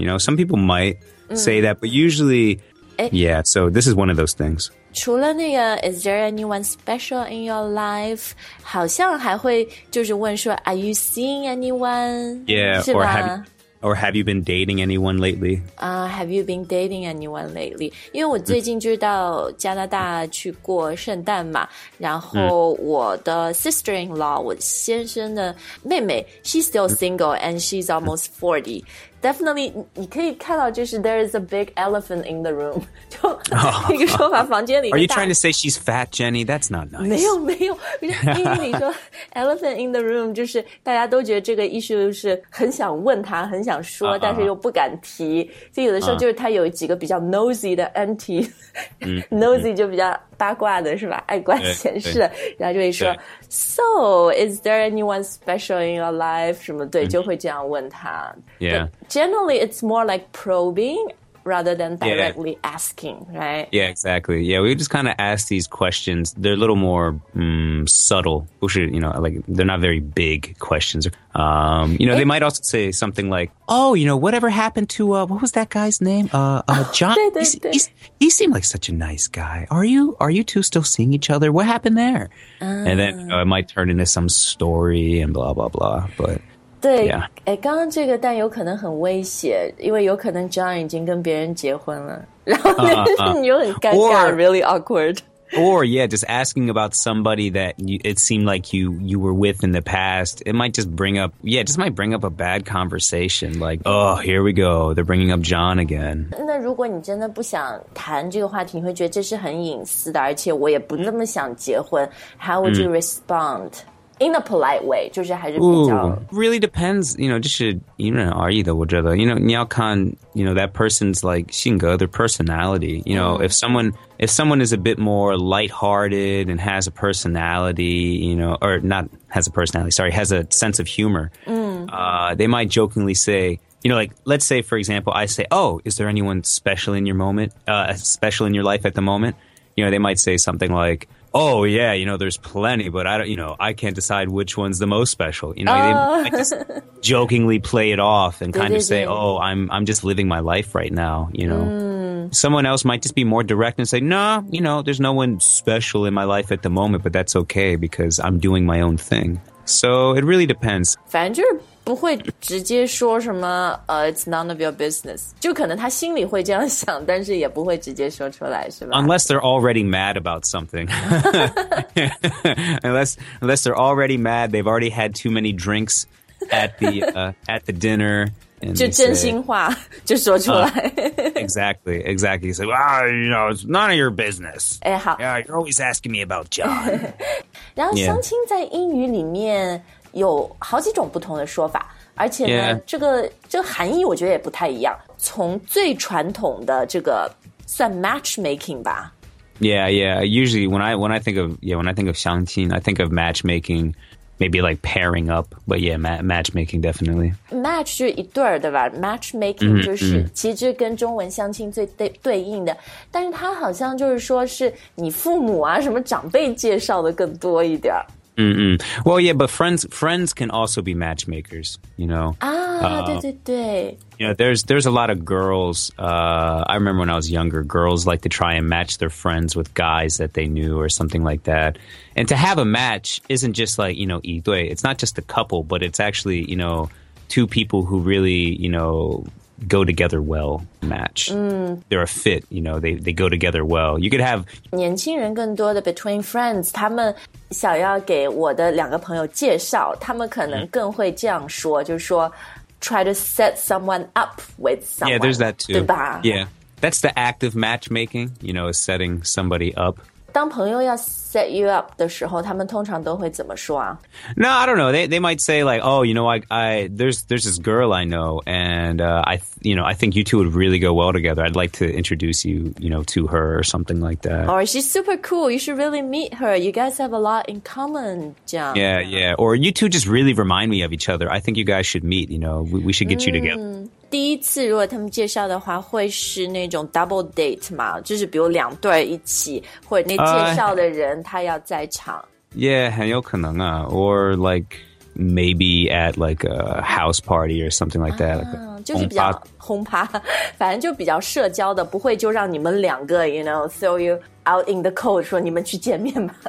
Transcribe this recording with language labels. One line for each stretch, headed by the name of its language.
English: You know, some people might say that, but usually, yeah, so this is one of those things.
Chinese: 除了那个
English: is there anyone special in your life?
Chinese: 好像还会就是问说
English: are you seeing anyone? Yeah, or have you been dating anyone lately? Have you been dating anyone lately?
Chinese: 因为我最近就到加拿大去过圣诞嘛然后我的 sister-in-law, 我先生的妹妹
English: she's still single and she's almost 40. Definitely,
Chinese: 你可以看到就是
English: there is a big elephant in the room.
Chinese: 就一个说法房间里。
English: Are you trying to say she's fat, Jenny? That's not nice.
Chinese: 没有没有。英语里说
English: elephant in the room,
Chinese: 就是大家都觉得这个意思是很想问他很想说但是又不敢提。所以有的时候就是他有几个比较 nosy 的 auntie, nosy 就比较八卦的是吧爱管闲事。然后就会说
English: so, is there anyone special in your life?
Chinese: 什么对就会这样问他。
English: Yeah. Generally, it's more like probing rather than directly asking, right? Yeah, exactly. Yeah, we just kind of ask these questions. They're a little more subtle, which are, you know, like they're not very big questions. You know, they might also say something like, oh, you know, whatever happened to, what was that guy's name? John, he seemed like such a nice guy. Are you two still seeing each other? What happened there? And then you know, it might turn into some story and blah, blah, blah, but...
Chinese: 对、
English: yeah.
Chinese: 诶刚刚这个但有可能很威胁因为有可能 John 已经跟别人结婚了然后你又很尴尬
English: really awkward Or, yeah, just asking about somebody that you, it seemed like you were with in the past. It might just bring up, yeah, just might bring up a bad conversation. Like, oh, here we go. They're bringing up John again.
Chinese: 那如果你真的不想谈这个话题，你会觉得这是很隐私的，而且我也不那么想结婚。
English: How would you respond? In a polite way,
Chinese: 就是还是比较
English: Ooh, really depends, you know,
Chinese: 就是因人而异的我觉得
English: you know, 你要看 you know, that person's like 性格 their personality, you know, if someone is a bit more lighthearted and has a personality, you know, or not has a personality, sorry, has a sense of humor, they might jokingly say, you know, like, let's say, for example, I say, oh, is there anyone special in your moment, special in your life at the moment? You know, they might say something like,Oh, yeah, you know, there's plenty, but I don't, you know, I can't decide which one's the most special. You know, they might just jokingly play it off and kind of say, oh, I'm just living my life right now, you know. Someone else might just be more direct and say, nah, you know, there's no one special in my life at the moment, but that's okay because I'm doing my own thing. So it really depends.
Chinese: 反正就是不会直接说什么
English: it's none of your business.
Chinese: 就可能他心里会这样想但是也不会直接说出来是吧
English: Unless they're already mad about something. unless they're already mad, they've already had too many drinks at the dinner. And
Chinese: 就真心话 就说出来。
English: Exactly, exactly. So, you know, it's none of your business.
Chinese: 哎好。
English: Yeah, you're always asking me about John.
Chinese: 然后相亲在英语里面有好几种不同的说法而且呢、这个含义我觉得也不太一样从最传统的这个算 matchmaking 吧
English: Yeah, yeah, usually when I think of 相亲 I think of matchmaking maybe like pairing up but yeah, matchmaking definitely
Chinese: Match 就是一对儿对吧 matchmaking 就是其实跟中文相亲最 对应的但是它好像就是说是你父母啊什么长辈介绍的更多一点 Mm-mm.
English: Well, yeah, but friends can also be matchmakers, you know.
Chinese: Ah, 对对对。
English: You know, there's a lot of girls, I remember when I was younger, girls like to try and match their friends with guys that they knew or something like that. And to have a match isn't just like, you know, 一对, it's not just a couple, but it's actually, you know, two people who really, you know... go together well match they're a fit you know they go together well you could have
Chinese: 年轻人更多的
English: between friends
Chinese: 他们想要给我的两个朋友介绍他们可能更会这样说、mm. 就是说
English: try to set someone up with someone yeah there's that too
Chinese: 对吧
English: yeah that's the act of matchmaking you know is setting somebody up
Chinese: 当朋友要
English: set you up
Chinese: 的时候他们通常都会怎么说啊
English: No, I don't know. They might say like, oh, you know, there's this girl I know and I think you two would really go well together. I'd like to introduce you, you know, to her or something like that. Or she's super cool. You should really meet her. You guys have a lot in common.
Chinese: 这样
English: yeah, yeah. Or you two just really remind me of each other. I think you guys should meet, you know, we should get you together.
Chinese: 第一次如果他们介绍的话会是那种 double date 嘛就是比如两对一起或者那介绍的人他要在场
English: Yeah,
Chinese: 很有可能啊
English: Or like maybe at like a house party or something like that、
Chinese: 就是比较轰趴反正就比较社交的不会就让你们两个
English: you know, throw you out in the cold
Chinese: 说你们去见面吧